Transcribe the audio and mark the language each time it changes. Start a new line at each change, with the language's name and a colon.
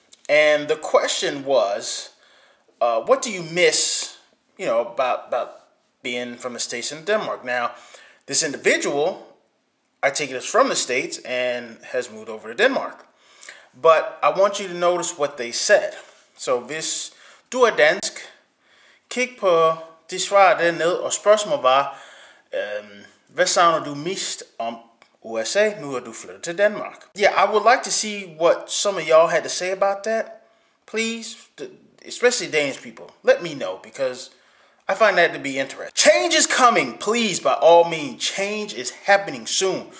English: And the question was, what do you miss, you know, about being from the States in Denmark? Now, this individual, I take it is from the States and has moved over to Denmark. But I want you to notice what they said.
Danish: So, hvis du dansk, kig på de svar dernede, og spørgsmålet var, hvad savner du mest om USA, nu er du flyttet til Denmark?
English: Yeah, I would like to see what some of y'all had to say about that. Please, especially Danish people, let me know, because I find that to be interesting. Change is coming, please, by all means. Change is happening soon.